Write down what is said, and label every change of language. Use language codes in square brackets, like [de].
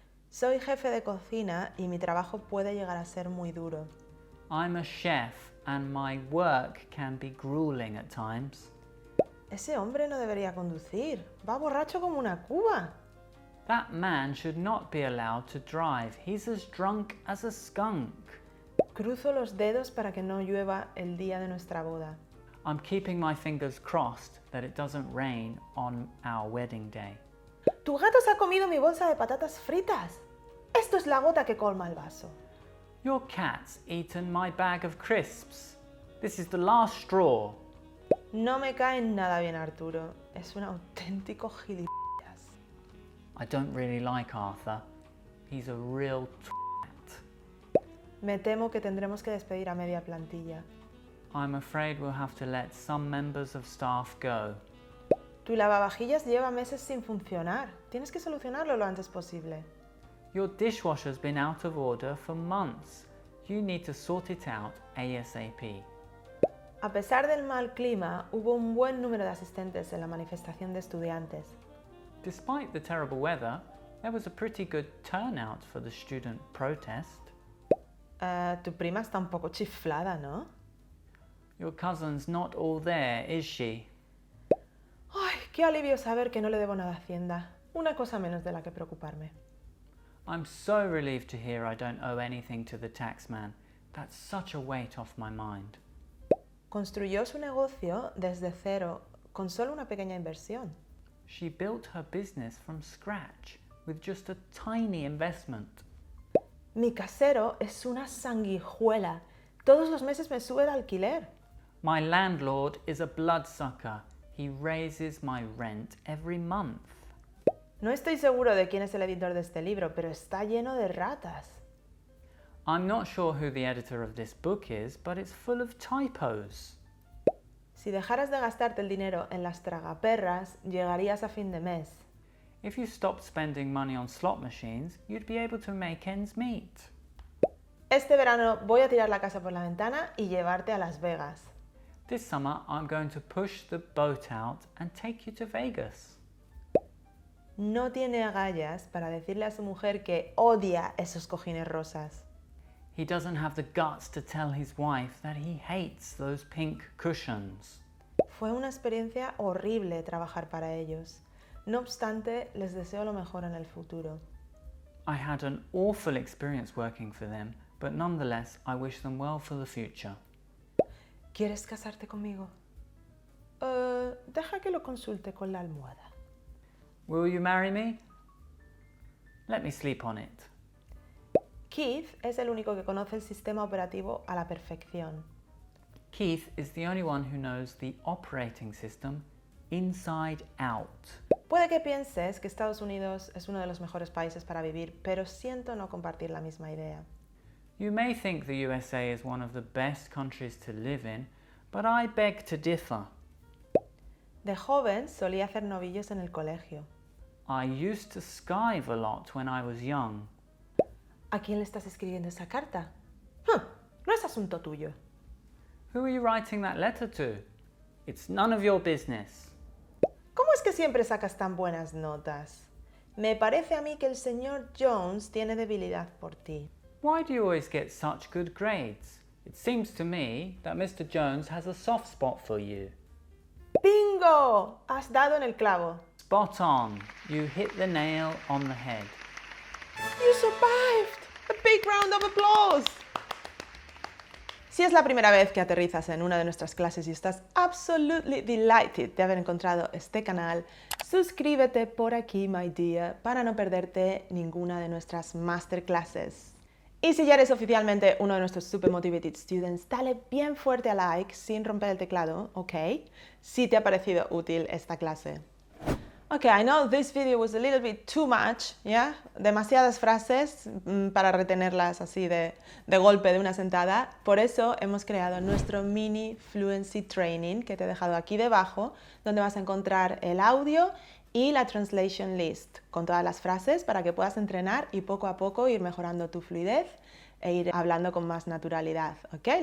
[es] Soy jefe de cocina y mi trabajo puede llegar a ser muy duro. [en] I'm a chef and my work can be grueling at times. [es] Ese hombre no debería conducir. Va borracho como una cuba. [en] That man should not be allowed to drive. He's as drunk as a skunk. [es] Cruzo los dedos para que no llueva el día de nuestra boda. [en] I'm keeping my fingers crossed that it doesn't rain on our wedding day. [es] Tu gato se ha comido mi bolsa de patatas fritas. Esto es la gota que colma el vaso. [en] Your cat's eaten my bag of crisps. This is the last straw. [es] No me cae nada bien, Arturo. Es un auténtico gilipollas. [en] I don't really like Arthur. He's a real twat. [es] Me temo que tendremos que despedir a media plantilla. [en] I'm afraid we'll have to let some members of staff go. [es] Tu lavavajillas lleva meses sin funcionar. Tienes que solucionarlo lo antes posible. [en] Your dishwasher's been out of order for months. You need to sort it out ASAP. [es] A pesar del mal clima, hubo un buen número de asistentes en la manifestación de estudiantes. [en] Despite the terrible weather, there was a pretty good turnout for the student protest. [es] Tu prima está un poco chiflada, ¿no? [en] Your cousin's not all there, is she? [es] Ay, qué alivio saber que no le debo nada a Hacienda. Una cosa menos de la que preocuparme. [en] I'm so relieved to hear I don't owe anything to the taxman. That's such a weight off my mind. [es] Construyó su negocio desde cero, con solo una pequeña inversión. [en] She built her business from scratch, with just a tiny investment. [es] Mi casero es una sanguijuela. Todos los meses me sube el alquiler. [en] My landlord is a bloodsucker. He raises my rent every month. [es] No estoy seguro de quién es el editor de este libro, pero está lleno de ratas. [en] I'm not sure who the editor of this book is, but it's full of typos. [es] Si dejaras de gastarte el dinero en las tragaperras, llegarías a fin de mes. [en] If you stopped spending money on slot machines, you'd be able to make ends meet. [es] Este verano voy a tirar la casa por la ventana y llevarte a Las Vegas. [en] This summer, I'm going to push the boat out and take you to Vegas. [es] No tiene agallas para decirle a su mujer que odia esos cojines rosas. [en] He doesn't have the guts to tell his wife that he hates those pink cushions. [es] Fue una experiencia horrible trabajar para ellos. No obstante, les deseo lo mejor en el futuro. [en] I had an awful experience working for them, but nonetheless, I wish them well for the future. [es] ¿Quieres casarte conmigo? Deja que lo consulte con la almohada. [en] Will you marry me? Let me sleep on it. [es] Keith es el único que conoce el sistema operativo a la perfección. [en] Keith is the only one who knows the operating system inside out. [es] Puede que pienses que Estados Unidos es uno de los mejores países para vivir, pero siento no compartir la misma idea. [en] You may think the USA is one of the best countries to live in, but I beg to differ. [es] De joven solía hacer novillos en el colegio. [en] I used to skive a lot when I was young. [es] ¿A quién le estás escribiendo esa carta? No es asunto tuyo. [en] Who are you writing that letter to? It's none of your business. [es] ¿Cómo es que siempre sacas tan buenas notas? Me parece a mí que el señor Jones tiene debilidad por ti. [en] Why do you always get such good grades? It seems to me that Mr. Jones has a soft spot for you. [es] ¡Bingo! Has dado en el clavo. [en] Spot on. You hit the nail on the head. You survived! A big round of applause! [es] Si es la primera vez que aterrizas en una de nuestras clases y estás [en] absolutely delighted [es] de haber encontrado este canal, suscríbete por aquí, [en] my dear, [es] para no perderte ninguna de nuestras masterclasses. Y si ya eres oficialmente uno de nuestros [en] super motivated students, [es] dale bien fuerte a like sin romper el teclado, ¿ok? Si te ha parecido útil esta clase. [en] Okay, I know this video was a little bit too much, yeah? [es] Demasiadas frases para retenerlas así de golpe de una sentada. Por eso hemos creado nuestro [en] mini fluency training [es] que te he dejado aquí debajo, donde vas a encontrar el audio y la [en] translation list [es] con todas las frases para que puedas entrenar y poco a poco ir mejorando tu fluidez e ir hablando con más naturalidad, ¿okay?